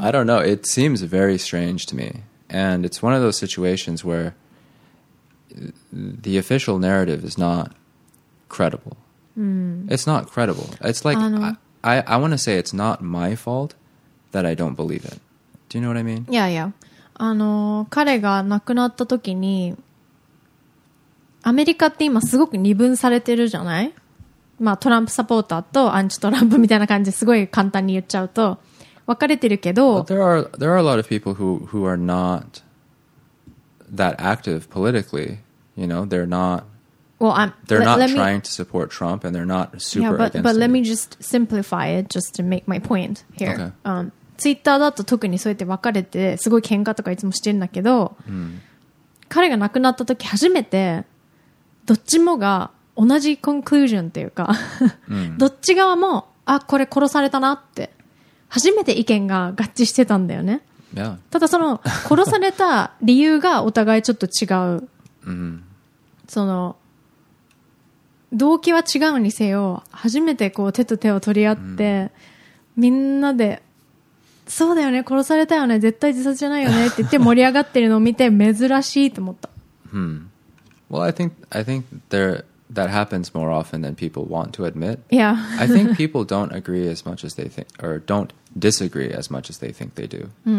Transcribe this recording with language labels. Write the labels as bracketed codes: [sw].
[en] I don't know. It seems very strange to me. And it's one of those situations where the official narrative is not credible. Mm. It's not credible. It's like, I want to say it's not my fault that I don't believe it. Do you know what I mean? Yeah, yeah. [ja] あの、彼が亡くなった時に、アメリカって今すごく二分されてるじゃない？まあトランプサポーターとアンチトランプみたいな感じですごい簡単に言っちゃうと分かれてるけど、 [en] there are a lot of people who are not that active politically, you know, they're not trying to support Trump and they're not super against it. Yeah, but let me just simplify it just to make my point here. [ja] Twitter だと特にそうやって分かれてすごい喧嘩とかいつもしてるんだけど、彼が亡くなった時初めてどっちもが同じコンクルージョンっていうか、どっち側もあこれ殺されたなって初めて意見が合致してたんだよね。ただその殺された理由がお互いちょっと違う。その動機は違うにせよ、初めてこう手と手を取り合ってみんなでそうだよね殺されたよね絶対自殺じゃないよねって言って盛り上がってるのを見て珍しいと思った。 [en] Well, I think that happens more often than people want to admit. Yeah. I think people don't agree as much as they think, or don't disagree as much as they think they do.